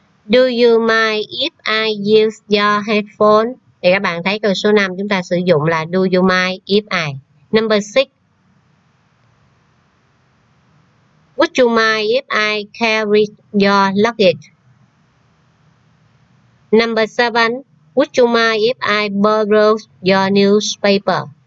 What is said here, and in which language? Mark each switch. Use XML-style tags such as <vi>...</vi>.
<en>Do you mind if I use your headphone?</en> <vi>Thì các bạn thấy câu số 5 chúng ta sử dụng là</vi> <en>do you mind if I. Number 6. Would you mind if I carry your luggage? Number 7. Would you mind if I borrow your newspaper?</en>